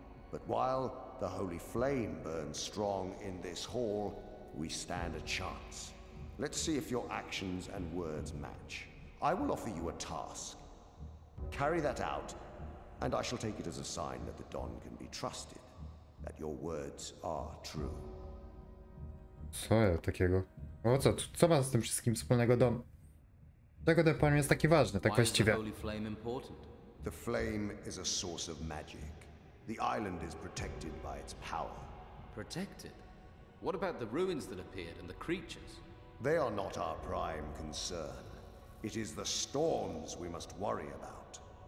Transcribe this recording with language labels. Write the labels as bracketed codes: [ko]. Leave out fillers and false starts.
[en] But while the holy flame burns strong in this hall, we stand a chance. Let's see if your actions and words match. I will offer you a task. Carry that out, and I shall take it as a sign that the Don can be trusted, that your words are true. [pl] Co ja takiego? O co? Co ma z tym wszystkim wspólnego Don? Dlaczego ten pan jest taki ważny, tak właściwie? [en] Why is the holy flame important? The flame is a source of magic. The island is protected by its power. Protected? What about the ruins that appeared and the creatures? They are not our prime concern. It is the storms we must worry about.